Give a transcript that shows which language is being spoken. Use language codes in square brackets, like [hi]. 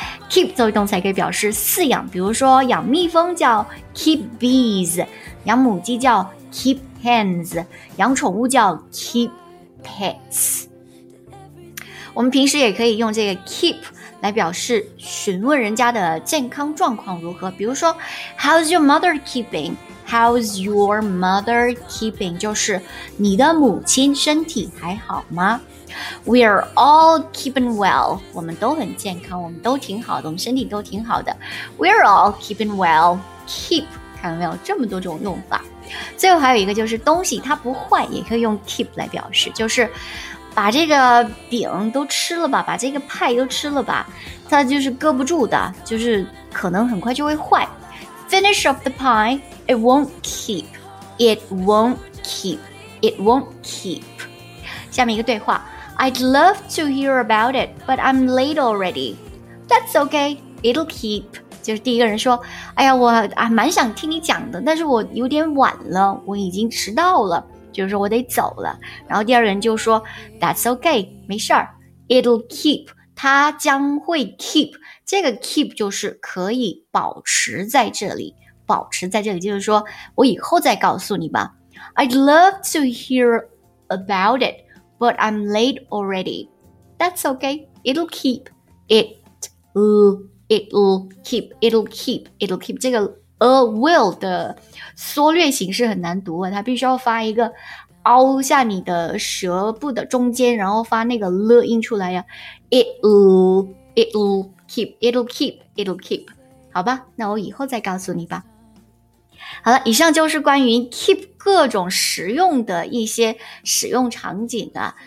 [zh] Keep 作为动词可以表示饲养，比如说养蜜蜂叫 [en] keep bees， [zh] 养母鸡叫 [en] keep hens， [zh] 养宠物叫 [en] keep pets。 [zh] 我们平时也可以用这个 keep 来表示询问人家的健康状况如何，比如说 [en] How's your mother keeping? How's your mother keeping? [zh] 就是你的母亲身体还好吗？ [en] We are all keeping well. [zh] 我们都很健康，我们都挺好的，我们身体都挺好的。 [en] We are all keeping well. [zh] Keep 看到没有，这么多种用法。最后还有一个就是东西它不坏也可以用 keep 来表示，就是把这个饼都吃了吧，把这个派都吃了吧，它就是搁不住的，就是可能很快就会坏。 [en] Finish up the pie, it won't keep. It won't keep. It won't keep. [zh] 下面一个对话， [en] I'd love to hear about it, but I'm late already. That's okay, it'll keep. [zh] 就是第一个人说，哎呀，我还蛮想听你讲的，但是我有点晚了，我已经迟到了，就是说我得走了。然后第二人就说 [en] That's okay, [zh] 没事儿， [en] It'll keep, [zh] 它将会 keep。这个 keep 就是可以保持在这里，保持在这里就是说我以后再告诉你吧。 [en] I'd love to hear about it, but I'm late already. That's okay, it'll keep. It'll keep, it'll keep, it'll keep. [zh] 这个will 的缩略形式很难读，它必须要发一个凹下你的舌部的中间，然后发那个了音出来呀。 [en] It'll keep. [zh] 好吧，那我以后再告诉你吧。好了，以上就是关于 keep 各种实用的一些使用场景啊。